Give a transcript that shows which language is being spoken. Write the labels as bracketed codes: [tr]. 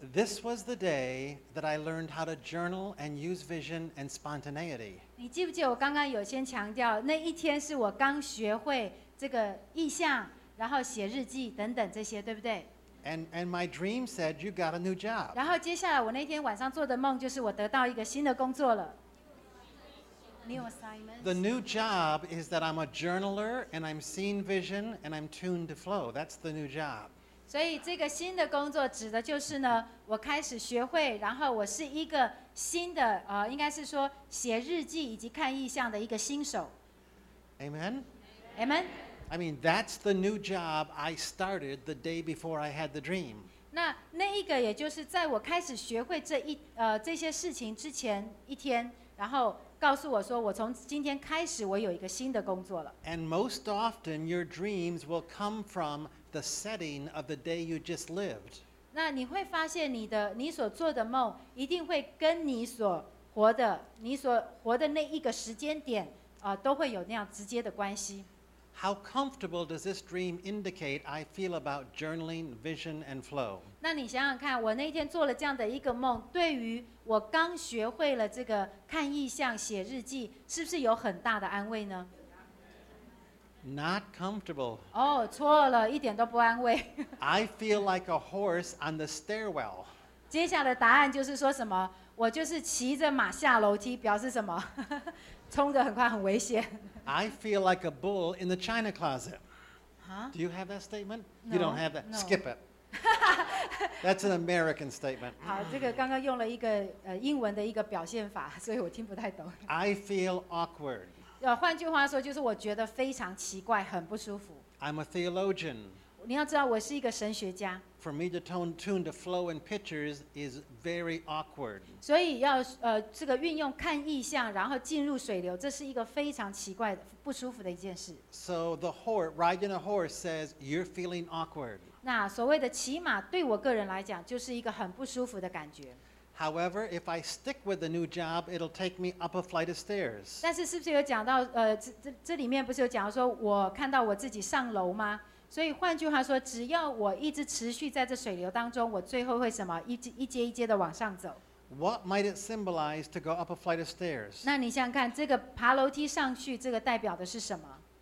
[en] This was the day that I learned how to journal and use vision and spontaneity. [zh] 你记不记得我刚刚有先强调，那一天是我刚学会这个意象，然后写日记等等这些，对不对？ [en] And my dream said you got a new job. [zh] 然后接下来我那天晚上做的梦就是我得到一个新的工作了。 [en] New assignment. The new job is that I'm a journaler and I'm seeing vision and I'm tuned to flow. That's the new job. [zh] 所以这个新的工作指的就是呢，我开始学会，然后我是一个新的应该是说写日记以及看意象的一个新手。 [en] Amen. Amen. I mean, that's the new job I started the day before I had the dream. [zh] 那一个也就是在我开始学会这些事情之前一天，然后告诉我说，我从今天开始我有一个新的工作了。 [en] And most often, your dreams will come from the setting of the day you just lived. [zh] 那你会发现你所做的梦一定会跟你所活的那一个时间点都会有那样直接的关系。 [en] How comfortable does this dream indicate I feel about journaling, vision, and flow? [zh] 那你想想看，我那天做了这样的一个梦，对于我刚学会了这个看意象、写日记，是不是有很大的安慰呢？ [en] Not comfortable. [zh] 哦，错了，一点都不安慰。 [en] I feel like a horse on the stairwell. [zh] 接下来的答案就是说什么？我就是骑着马下楼梯，表示什么？冲得很快，很危险。 [en] I feel like a bull in the china closet. Huh? Do you have that statement? No, you don't have that. No. Skip it. That's an American statement. [zh] 好，这个刚刚用了一个英文的一个表现法，所以我听不太懂。 [en] I feel awkward. [zh] 换句话说，就是我觉得非常奇怪，很不舒服。 [en] I'm a theologian. [zh] 你要知道，我是一个神学家。 [en] For me to tune to flow and pictures is very awkward. [zh] 所以要这个运用看意象，然后进入水流，这是一个非常奇怪的、不舒服的一件事。 [en] So the horse riding a horse says you're feeling awkward. [zh] 那所谓的骑马对我个人来讲，就是一个很不舒服的感觉。 [en] However, if I stick with the new job, it'll take me up a flight of stairs. [zh] 但是是不是有讲到这里面不是有讲到说我看到我自己上楼吗？所以换句话说，只要我一直持续在这水流当中，我最后会什么？一阶一阶的往上走。 [en] What might it symbolize to go up a flight of stairs? [zh] 那你想想看，这个爬楼梯上去，这个代表的是什么